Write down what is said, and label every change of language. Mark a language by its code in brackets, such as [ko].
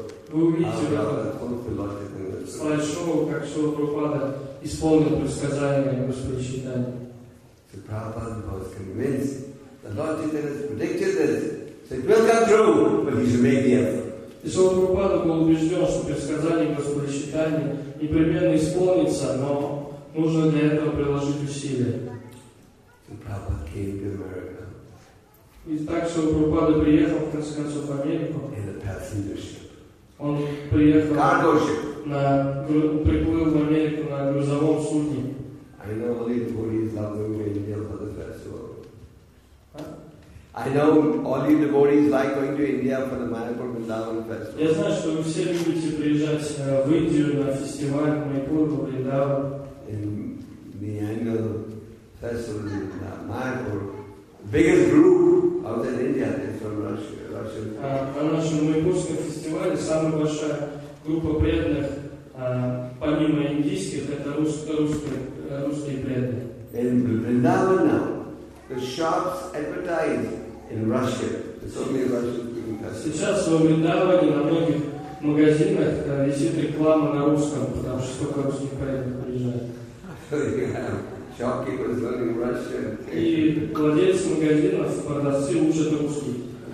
[ru] Вы увидите в этом слайд-шоу, как Шрила Прабхупада исполнил предсказание Господи Чайтаньи. [en] So Prabhupada was convinced the Lord Chaitanya predicted this. Said, will come true, but he's made the effort. [ru] И сам Прабхупада был убежден, что предсказание Господи Чайтаньи непременно исполнится, но нужно для этого приложить усилия. [en] So Prabhupada came to America. [ru] И так, что Прабхупада приехал, в конце концов, в Америку. [en] In a passenger ship. [ru] Он приехал... [en] Cargo ship. [ru] На, приплыл в Америку на грузовом судне. [en] I know all the devotees love going to India for the festival. Huh? I know all the devotees like going to India for the Mayapur Vrindavan festival. [ru] Я знаю, что вы все любите приезжать в Индию на фестиваль Майпур Вриндаван. [en] In the annual festival in Mayapur, biggest group out in India is from Russia. Russian. [ru] На нашем майпурском фестивале самая большая группа преданных, помимо индийских, это русские преданные. [en] In Vrindavan now, the shops advertise in Russian. It's only Russian. [ru] Сейчас в Вриндаване на многих магазинах висит реклама на русском, потому что только русские преданные приезжают. [en] Shopkeepers learning Russian. [ru] И владельцы магазинов, продавцы учат русский.